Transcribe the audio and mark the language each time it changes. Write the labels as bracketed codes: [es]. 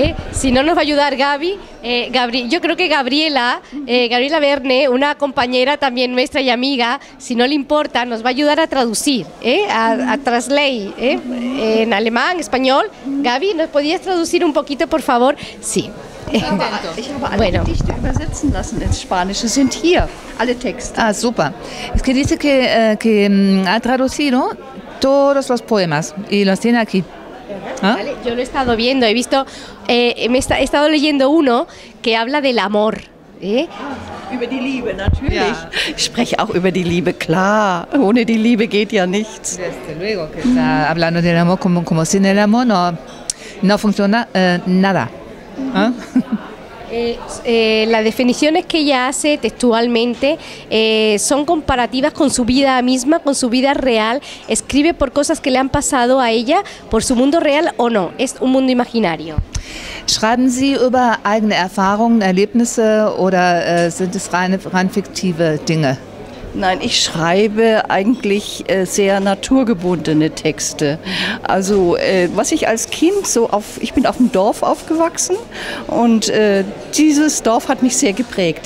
[es] Si no nos va a ayudar Gaby, yo creo que Gabriela Verne, una compañera también nuestra y amiga, si no le importa, nos va a ayudar a traducir, a translate, en alemán, español. Gaby, ¿nos podías traducir un poquito, por favor? Sí. Bueno. [de] Ich habe alle Gedichte übersetzen lassen ins Spanische. Sind hier alle Texte. Ah, super. [es] Es que dice que ha traducido todos los poemas y los tiene aquí. ¿Ah? Vale, yo lo he estado viendo, he visto, he estado leyendo uno que habla del amor. [de] Über die Liebe, natürlich. Ja. Ich spreche auch über die Liebe, klar. Ohne die Liebe geht ja nichts. [es] Desde luego que está hablando del amor, como sin el amor no funciona nada. ¿Ah? Las definiciones que ella hace textualmente son comparativas con su vida misma, con su vida real. Escribe por cosas que le han pasado a ella, por su mundo real o no. Es un mundo imaginario. [de] Schreiben Sie über eigene Erfahrungen, Erlebnisse oder sind es rein fiktive Dinge? Nein, ich schreibe eigentlich sehr naturgebundene Texte. Also was ich als Kind so auf, ich bin auf dem Dorf aufgewachsen und dieses Dorf hat mich sehr geprägt.